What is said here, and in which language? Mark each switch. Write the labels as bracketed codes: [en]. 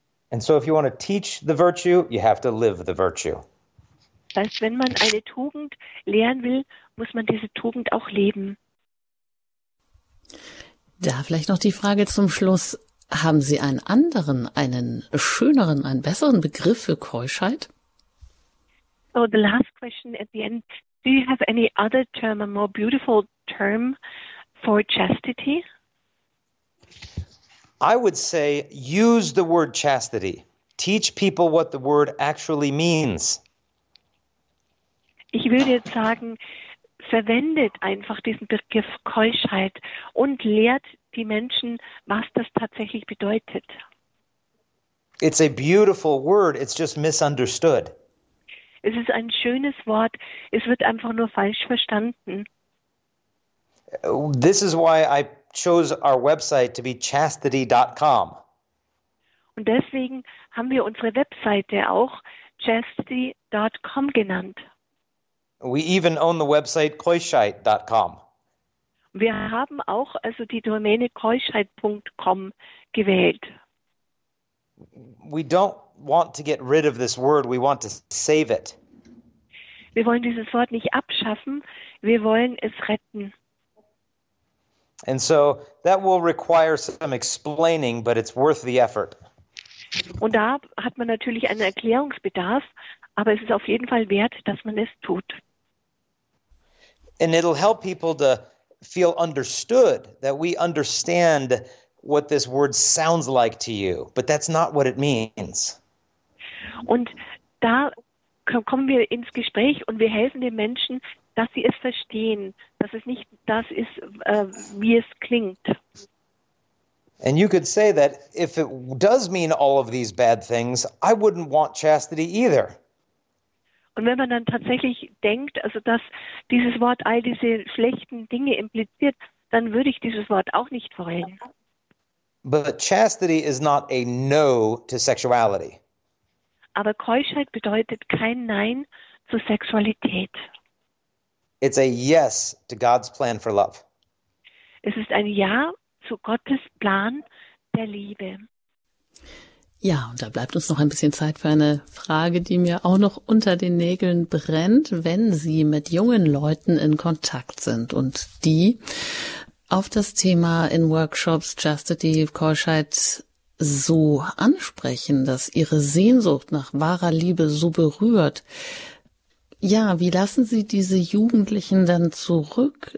[en] And so if you want to teach the virtue, you have to live the virtue. [de] Das heißt, wenn man eine Tugend lehren will, muss man diese Tugend auch leben. Da vielleicht noch die Frage zum Schluss. Haben Sie einen anderen, einen schöneren, einen besseren Begriff für Keuschheit? [en] So the last question at the end. Do you have any other term, a more beautiful term for chastity? I would say use the word chastity. Teach people what the word actually means. [de] Ich würde jetzt sagen, verwendet einfach diesen Begriff Keuschheit und lehrt die Menschen, was das tatsächlich bedeutet. [en] It's a beautiful word, it's just misunderstood. [de] Es ist ein schönes Wort, es wird einfach nur falsch verstanden. [en] This is why I chose our website to be chastity.com. [de] Und deswegen haben wir unsere Webseite auch chastity.com genannt. [en] We even own the website keuschheit.com. [de] Wir haben auch also die Domäne keuschheit.com gewählt. [en] We don't want to get rid of this word, we want to save it. [de] Wir wollen dieses Wort nicht abschaffen, wir wollen es retten. [en] And so that will require some explaining, but it's worth the effort. [de] Und da hat man natürlich einen Erklärungsbedarf, aber es ist auf jeden Fall wert, dass man es tut. [en] And it'll help people to feel understood, that we understand what this word sounds like to you, but that's not what it means. [de] Und da kommen wir ins Gespräch und wir helfen den Menschen, dass sie es verstehen, dass es nicht das ist, wie es klingt. [en] And you could say that if it does mean all of these bad things, I wouldn't want chastity either. [de] Und wenn man dann tatsächlich denkt, also dass dieses Wort all diese schlechten Dinge impliziert, dann würde ich dieses Wort auch nicht wollen. [en] But chastity is not a no to sexuality. [de] Aber Keuschheit bedeutet kein Nein zur Sexualität. [en] It's a yes to God's plan for love. [de] Es ist ein Ja zu Gottes Plan der Liebe. Ja, und da bleibt uns noch ein bisschen Zeit für eine Frage, die mir auch noch unter den Nägeln brennt. Wenn Sie mit jungen Leuten in Kontakt sind und die auf das Thema in Workshops Chastity, Keuschheit so ansprechen, dass ihre Sehnsucht nach wahrer Liebe so berührt, ja, wie lassen Sie diese Jugendlichen dann zurück?